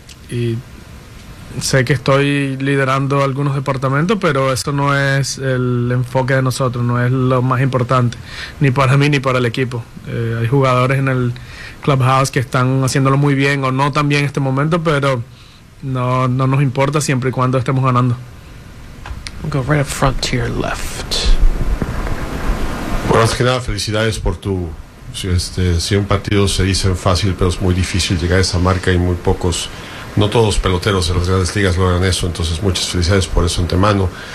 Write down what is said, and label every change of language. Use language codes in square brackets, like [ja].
[es] Y sé que estoy liderando algunos departamentos, pero eso no es el enfoque de nosotros, no es lo más importante, ni para mí ni para el equipo. Hay jugadores en el clubhouse que están haciéndolo muy bien o no tan bien en este momento, pero no nos importa siempre y cuando estemos ganando. [en] We'll go right up front to your left. [es] Bueno, más que nada, felicidades por tu... Si un partido se dice fácil, pero es muy difícil llegar a esa marca y muy pocos... No todos los peloteros de las grandes ligas logran eso, entonces muchas felicidades por eso antemano.